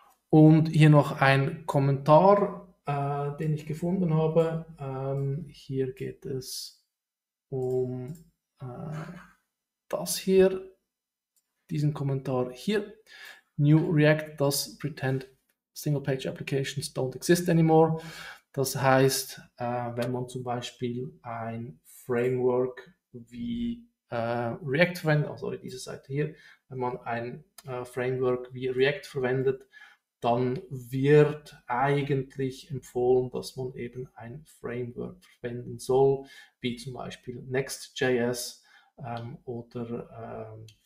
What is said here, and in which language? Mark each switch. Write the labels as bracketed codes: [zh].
[de] Und hier noch ein Kommentar, den ich gefunden habe. Hier geht es um das hier, diesen Kommentar hier. [en] New React does pretend single page applications don't exist anymore. [de] Das heißt, wenn man zum Beispiel ein Framework wie React verwendet, also diese Seite hier, wenn man ein Framework wie React verwendet, dann wird eigentlich empfohlen, dass man eben ein Framework verwenden soll, wie zum Beispiel Next.js oder